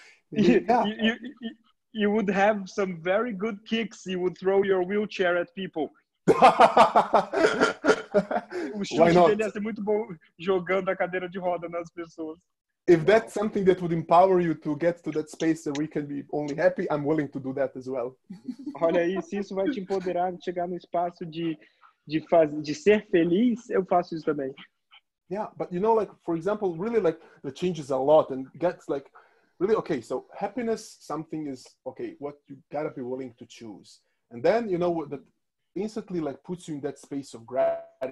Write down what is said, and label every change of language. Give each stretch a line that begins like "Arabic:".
English: You would have some very good kicks. You would throw your wheelchair at people.
Portuguese: O chute dele ia ser muito bom jogando a cadeira de roda nas pessoas.
English: If that's something that would empower you to get to that space where we can be only happy, I'm willing to do that as well.
Portuguese: Olha aí, se isso vai te empoderar de chegar no espaço de ser feliz, eu faço isso também.
English: Yeah, but you know, like, for example, really, like, it changes a lot and gets, like, really, okay, so happiness, something is, okay, what you gotta be willing to choose. And then, you know, that instantly, like, puts you in that space of gratitude.